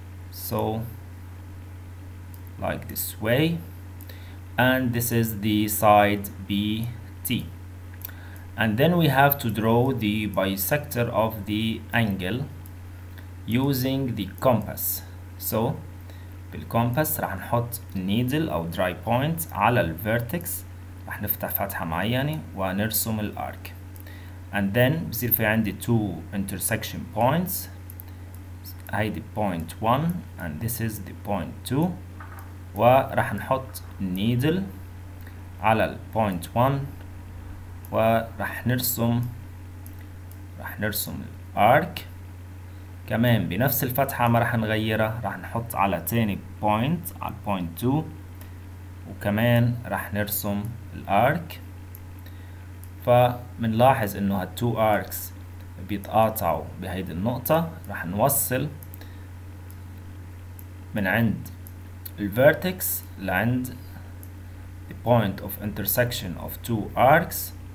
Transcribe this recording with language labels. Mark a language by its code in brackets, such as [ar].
[en] So like this way and this is the side BT and then we have to draw the bisector of the angle using the compass. [ar] So بالcompass راح نحط needle أو dry point على ال vertex. راح نفتح فتحة معينة ونرسم الارك [en] and then [ar] بصير في عندي [en] two intersection points. [ar] هاي دي [en] point one and this is the point two. [ar] وراح نحط needle على ال point one وراح نرسم الارك كمان بنفس الفتحة ما راح نغيرها. راح نحط على تاني point على point two وكمان راح نرسم الارك. فمنلاحظ انه هالتو اركس بيتقاطعوا بهيدي النقطة. راح نوصل من عند الفيرتكس لعند [en] the point of intersection of two arcs.